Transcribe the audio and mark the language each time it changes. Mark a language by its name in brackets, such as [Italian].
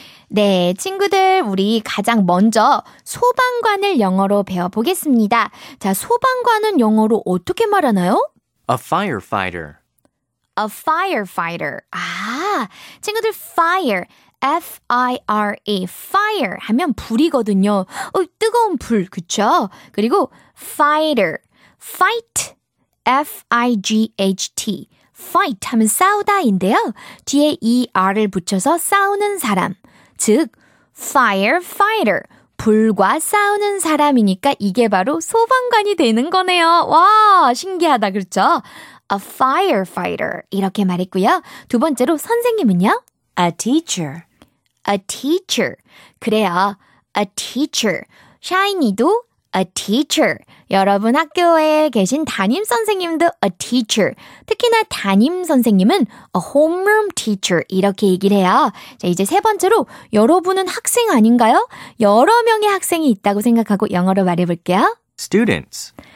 [Korean] 네, 친구들, 우리 가장 먼저 소방관을 영어로 배워보겠습니다. 자, 소방관은 영어로 어떻게 말하나요? [English] A firefighter. A firefighter. [Korean] 아, 친구들, fire, F-I-R-E, fire 하면 불이거든요. 뜨거운 불, 그쵸? 그리고 fighter, fight, F-I-G-H-T. fight 하면 싸우다인데요. 뒤에 er을 붙여서 싸우는 사람. 즉, firefighter, 불과 싸우는 사람이니까 이게 바로 소방관이 되는 거네요. 와, 신기하다, 그렇죠? A firefighter, 이렇게 말했고요. 두 번째로 선생님은요? [English] A teacher. A teacher, [Korean] 그래요. [English] A teacher, 샤이니도 a teacher. [Korean] 여러분 학교에 계신 담임 선생님도 a teacher. 특히나 담임 선생님은 [English] a homeroom teacher [Korean] 이렇게 얘기를 해요. 자, 이제 세 번째로 여러분은 학생 아닌가요? 여러 명의 학생이 있다고 생각하고 영어로 말해볼게요. [English] Students.